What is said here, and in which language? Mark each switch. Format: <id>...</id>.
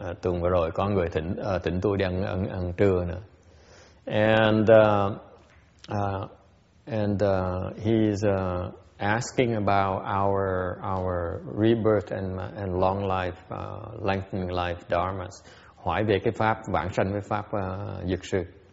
<vi>Tuần vừa rồi có người thỉnh tôi đi ăn trưa nữa.</vi> <en>And he's asking about our rebirth and long life, lengthening life dharmas.</en> <vi>Hỏi về cái pháp vãng sanh với pháp dược sư.</vi>